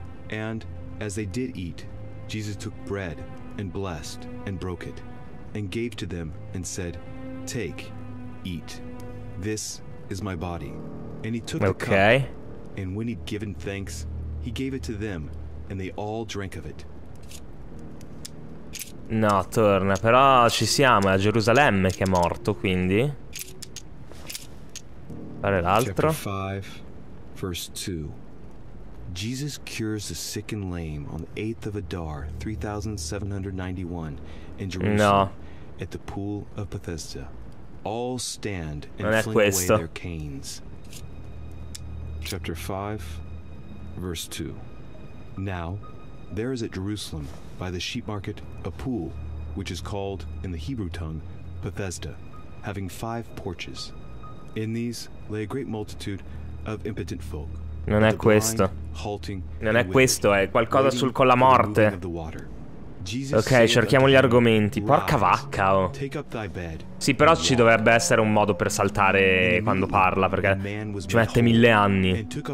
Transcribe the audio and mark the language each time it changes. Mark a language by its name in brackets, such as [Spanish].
[English] And as they did eat, Jesus took bread and blessed and broke it and gave to them and said, "Take, eat. This is my body." And he took the cup. And when he'd given thanks, he gave it to them and they all drank of it. [Italian] No, torna, però ci siamo, è a Gerusalemme che è morto, quindi. Fare l'altro. [English] Chapter 5, verse 2. Jesus cures the sick and lame on the 8th of Adar, 3791, in Jerusalem, no. At the pool of Bethesda. All stand and fling away their canes. Chapter 5, verse 2. Now, there is at Jerusalem, by the sheep market, a pool, which is called, in the Hebrew tongue, Bethesda, having five porches. In these lay a great multitude of impotent folk, [Italian] Non è questo. Non è questo, è qualcosa sul con la morte. Ok, cerchiamo gli argomenti. Porca vacca, oh. Sì, però ci dovrebbe essere un modo per saltare quando parla, perché ci mette mille anni.